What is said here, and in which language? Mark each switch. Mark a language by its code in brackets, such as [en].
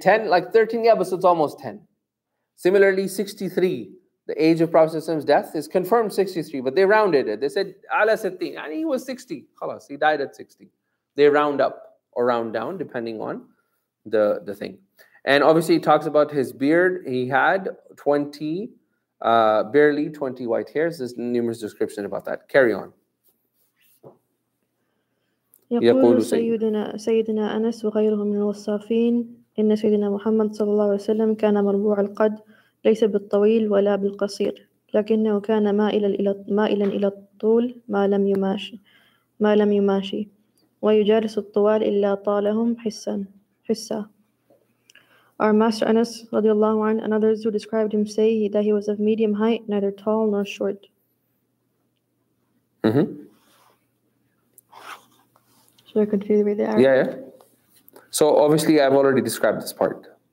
[en] 10, like 13, yeah, but so it's almost 10. Similarly, 63, the age of Prophet's death is confirmed 63, but they rounded it. They said, Ala Sitti, and he was 60. Khalas, he died at 60. They round up or round down, depending on the thing. And obviously, he talks about his beard. He had 20, barely 20 white hairs. There's numerous description about that. Carry on. [ar] يقول سيدنا أنس وغيره من الوصافين إن سيدنا محمد صلى الله عليه وسلم كان مربوع القد ليس بالطويل ولا بالقصير لكنه كان مائلا إلى الطول ما لم يماشي ويجالس الطوال إلا طالهم حسا. [en] Our master Anas رضي الله عنه and others who described him say that he was of medium height, neither tall nor short. Mm-hmm. Should I continue to read the Arabic? Yeah, yeah. So obviously I've already described this part.